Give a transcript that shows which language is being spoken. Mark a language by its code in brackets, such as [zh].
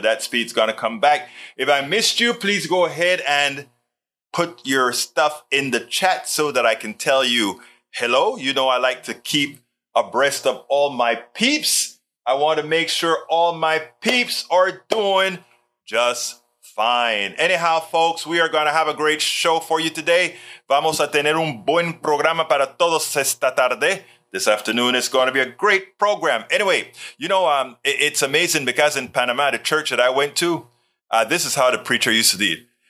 [en] That speed's going to come back. If I missed you, please go ahead and put your stuff in the chat so that I can tell you hello. You know, I like to keep abreast of all my peeps. I want to make sure all my peeps are doing just fine. Anyhow, folks, we are going to have a great show for you today. [es] Vamos a tener un buen programa para todos esta tarde. [en] This afternoon is going to be a great program. Anyway, you know, it's amazing because in Panama, the church that I went to, this is how the preacher used to do it.